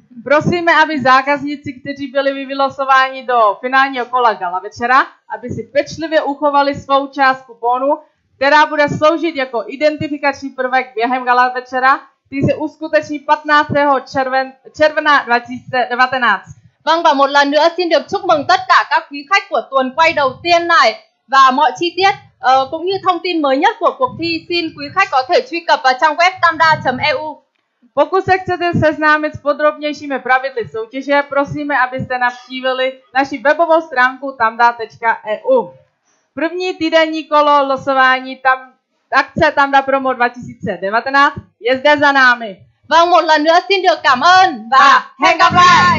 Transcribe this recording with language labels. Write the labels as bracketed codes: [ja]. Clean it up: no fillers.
[cs] Prosíme, aby zákazníci, kteří byli vylosováni do finálního kola gala večera, aby si pečlivě uchovali svou část kuponu, která bude sloužit jako identifikační prvek během gala večera, který se uskuteční 15. června 2019. [vi] Vâng, và một lần nữa xin được chúc mừng tất cả các quý khách của tuần quay đầu tiên này và mọi chi tiết cũng như thông tin mới nhất của cuộc thi xin quý khách có thể truy cập vào trang web tamda.eu. [cs] Pokud se chcete seznámit s podrobnějšími pravidly soutěže, prosíme, abyste navštívili naši webovou stránku tamda.eu. První týdenní kolo losování akce Tamda Promo 2019 je zde za námi. [vi] Vâng, một lần nữa xin được cảm ơn và hẹn gặp lại!